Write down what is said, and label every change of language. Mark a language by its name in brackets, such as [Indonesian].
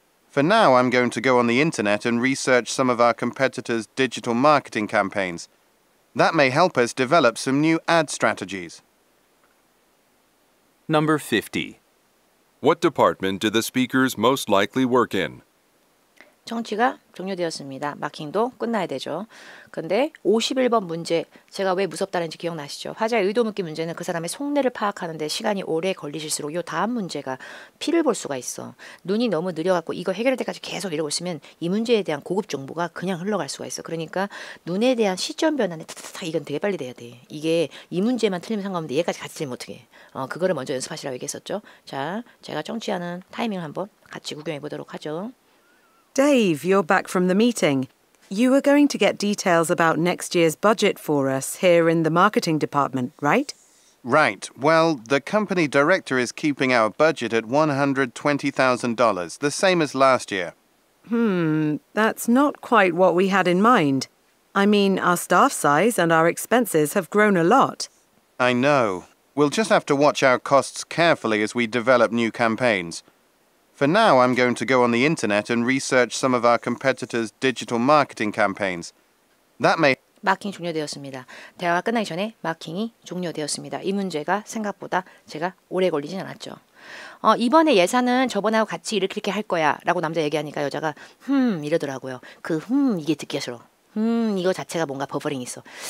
[English] For now, I'm going to go on the internet and research some of our competitors' digital marketing campaigns. That may help us develop some new ad strategies. Number 50. What department do the speakers most likely work in? [Korean] 청취가 종료되었습니다. 마킹도 끝나야 되죠. 근데 51번 문제, 제가 왜 무섭다는지 기억나시죠? 화자의 의도 묻기 문제는 그 사람의 속내를 파악하는 데 시간이 오래 걸리실수록 이 다음 문제가 피를 볼 수가 있어. 눈이 너무 느려갖고 이거 해결할 때까지 계속 이러고 있으면 이 문제에 대한 고급 정보가 그냥 흘러갈 수가 있어. 그러니까 눈에 대한 시점 변환에 이건 되게 빨리 돼야 돼. 이게 이 문제만 틀리면 상관없는데 얘까지 같이 틀리면 어떡해. 그거를 먼저 연습하시라고 얘기했었죠. 자, 제가 청취하는 타이밍을 한번 같이 구경해보도록 하죠. [English] Dave, you're back from the meeting. You were going to get details about next year's budget for us here in the marketing department, right? Right. Well, the company director is keeping our budget at $120,000, the same as last year. That's not quite what we had in mind. I mean, our staff size and our expenses have grown a lot. I know. We'll just have to watch our costs carefully as we develop new campaigns. For now, I'm going to go on the internet and research some of our competitors' digital marketing campaigns. That may [Korean] 마킹 종료되었습니다. 대화가 끝나기 전에 마킹이 종료되었습니다. 이 문제가 생각보다 제가 오래 걸리진 않았죠. 이번에 예산은 저번하고 같이 이렇게 이렇게 할 거야 라고 남자 얘기하니까 여자가 이러더라고요. 그 이게 듣기 싫어. 이거 자체가 뭔가 버퍼링이 있어.